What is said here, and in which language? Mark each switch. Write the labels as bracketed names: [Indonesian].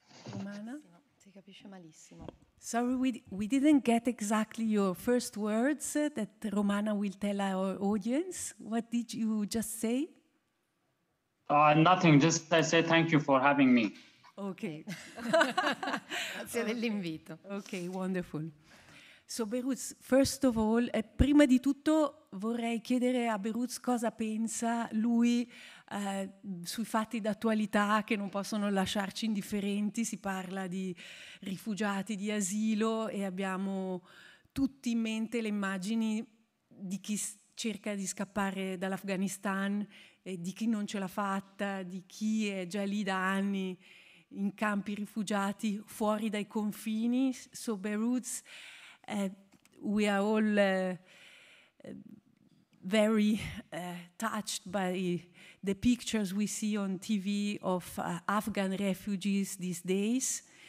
[Italian] Romana? Si capisce malissimo. [English] Sorry, we didn't get exactly your first words that Romana will tell our audience. What did you just say? Nothing. Just I say thank you for having me. Okay. [Italian] Grazie dell'invito. [English] Okay, wonderful. So Beruz, first of all, [Italian] prima di tutto vorrei chiedere a Beruz cosa pensa lui sui fatti d'attualità che non possono lasciarci indifferenti. Si parla di rifugiati, di asilo e abbiamo tutti in mente le immagini di chi cerca di scappare dall'Afghanistan, di chi non ce l'ha fatta, di chi è già lì da anni in campi rifugiati fuori dai confini. [English] So Beruz, we are all very touched by the pictures we see on TV of Afghan refugees these days.